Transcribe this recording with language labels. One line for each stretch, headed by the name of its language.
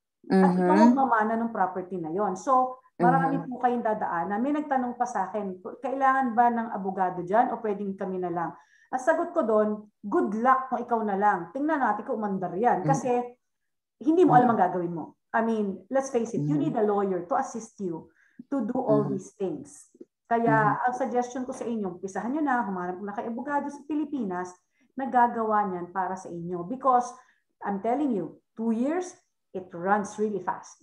Filipino: At ikaw ang mamana ng property na yon. So, marami po kayong dadaanan. May nagtanong pa sa akin, kailangan ba ng abogado dyan o pwedeng kami na lang? Ang sagot ko doon,
English: good luck
Filipino: kung ikaw na lang. Tingnan natin kung umandar yan. Kasi hindi mo alam ang gagawin mo.
English: I mean, let's face it, you need a lawyer to assist you to do all these things.
Filipino: Kaya ang suggestion ko sa inyo, pisahan nyo na, humarap na kay abogado sa Pilipinas na gagawa niyan para sa inyo.
English: Because I'm telling you, 2 years, it runs really fast.